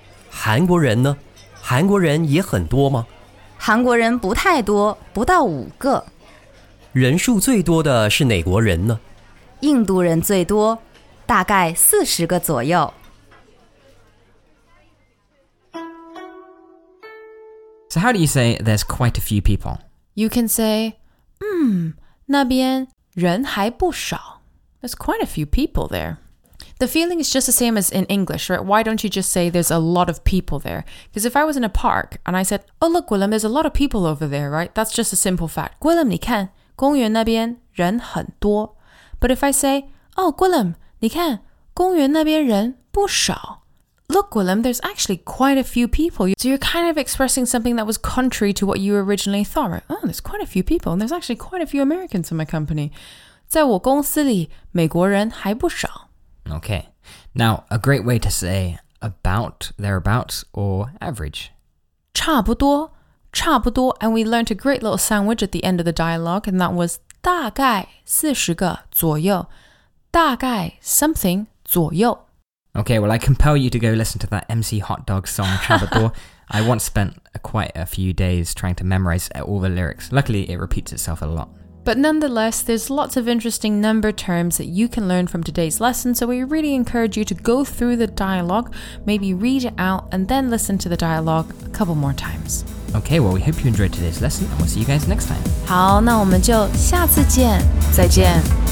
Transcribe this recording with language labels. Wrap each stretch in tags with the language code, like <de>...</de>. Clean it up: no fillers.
<zh>韩国人呢？韩国人也很多吗？韩国人不太多，不到五个。人数最多的是哪国人呢？印度人最多，大概四十个左右。</zh> <en>So how do you say there's quite a few people? You can say,</en> <zh>那边人还不少。</zh> <en>There's quite a few people there. The feeling is just the same as in English, right? Why don't you just say there's a lot of people there? Because if I was in a park and I said, oh, look, Guilhem, there's a lot of people over there, right? That's just a simple fact. Guilhem,</en> <zh>你看公园那边人很多。</zh> <en>But if I say, oh, Guilhem,</en> <zh>你看公园那边人不少。</zh> <en>Look, Guilhem, there's actually quite a few people. So you're kind of expressing something that was contrary to what you originally thought, right? Oh, there's quite a few people, and there's actually quite a few Americans in my company.</en> <zh>在我公司里美国人还不少。</zh> <en>Okay. Now, a great way to say about, thereabouts, or average.</en> <zh>差不多,差不多。</zh> <en>And we learned a great little sandwich at the end of the dialogue, and that was</en> <zh>大概四十个左右。大概 something 左右。</zh> <en>Okay, well, I compel you to go listen to that MC Hot Dog song, 差不多. I once spent quite a few days trying to memorize all the lyrics. Luckily, it repeats itself a lot. But nonetheless, there's lots of interesting number terms that you can learn from today's lesson, so we really encourage you to go through the dialogue, maybe read it out, and then listen to the dialogue a couple more times. Okay, well, we hope you enjoyed today's lesson, and we'll see you guys next time.</en> <zh>好,那我们就下次见,再见。</zh>